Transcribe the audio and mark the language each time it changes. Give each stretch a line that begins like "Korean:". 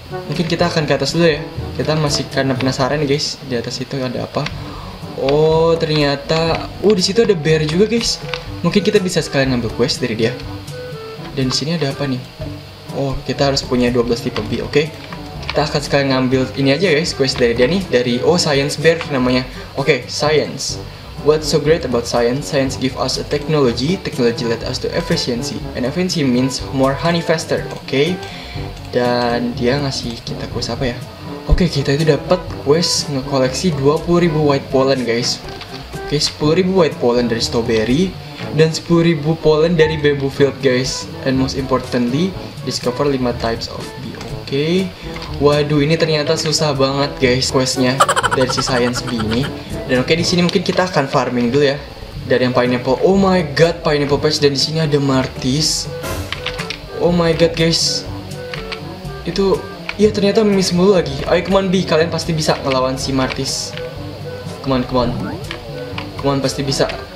Indonesian: Mungkin kita akan ke atas dulu ya. Kita masih karena penasaran guys, di atas itu ada apa. Oh ternyata, di situ ada bear juga guys. Mungkin kita bisa sekalian ngambil quest dari dia. Dan di sini ada apa nih? Oh, kita harus punya 12 tipe bee, oke. Kita akan sekalian ngambil ini aja guys, quest dari dia nih. Dari, science bear namanya. Oke, science.
English: What's so great about science? Science give us a technology. Technology led us to efficiency. And efficiency means more honey faster, oke.
Indonesian: Dan dia ngasih kita quest apa ya? Oke, kita itu dapat quest ngekoleksi 20.000 white pollen, guys. Oke, 10.000 white pollen dari strawberry dan 10.000 pollen dari bamboo field, guys.
English: And most importantly, discover 5 types of bee. Oke.
Indonesian: Waduh, ini ternyata susah banget, guys, questnya dari si science bee ini. Dan oke, di sini mungkin kita akan farming dulu ya. Dari yang pineapple.
English: Oh my god,
Indonesian: pineapple patch, dan di sini ada martis. Oh my god, guys. Itu iya ternyata miss mulu lagi. Ayo
English: come on B,
Indonesian: kalian pasti bisa ngelawan si Martis.
English: Come on, come on. Come on,
Indonesian: pasti bisa.